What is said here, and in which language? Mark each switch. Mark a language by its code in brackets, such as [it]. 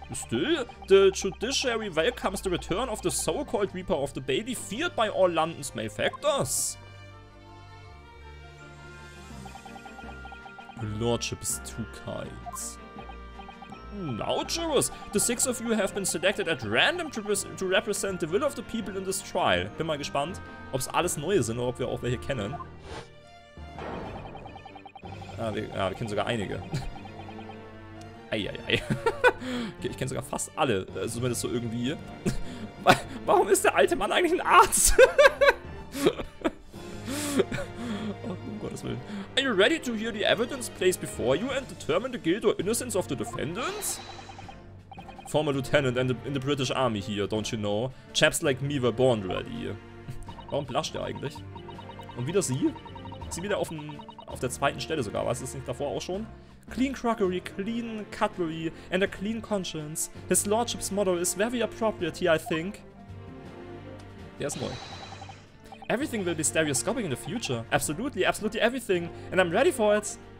[en] Still, the judiciary welcomes the return of the so-called Reaper of the Baby feared by all London's malefactors. Your lordship is too kind. Now, jurors, the six of you have been selected at random to represent the will of the people in this trial. [de] Bin mal gespannt, ob es alles neue sind oder ob wir auch welche kennen. Ah, wir kennen sogar einige. Eieiei. Okay, ich kenne sogar fast alle, zumindest so irgendwie. Warum ist der alte Mann eigentlich ein Arzt? Oh, um Gottes Willen. [en] Are you ready to hear the evidence placed before you and determine the guilt or innocence of the defendants? Former lieutenant in the British Army here, don't you know? Chaps like me were born ready. [de] Warum blascht er eigentlich? Und wieder sie? Sie wieder auf der zweiten Stelle sogar, was ist nicht davor auch schon? [en] Clean crockery, clean cutlery and a clean conscience. His lordship's motto is very appropriate here, I think. [de] Der ist neu. [en] Everything will be stereoscopic in the future. Absolutely, absolutely everything. And I'm ready for it.